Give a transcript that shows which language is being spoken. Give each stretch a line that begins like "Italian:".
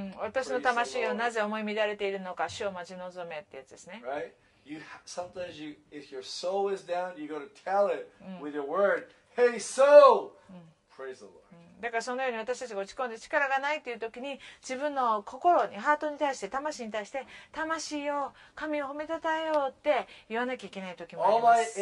Japanese: 私の魂よ、なぜ思い乱れているのか、主を待ち望めってやつですね。
English: Right? You, sometimes you, if your soul is down, you got to tell it with your word. Hey, soul!
Japanese: だからそのように私たちが落ち込んで力がないという時に、自分の心に、ハートに対して、魂に対して、魂よ、神を褒めたたえようって言わなきゃいけない時もあります。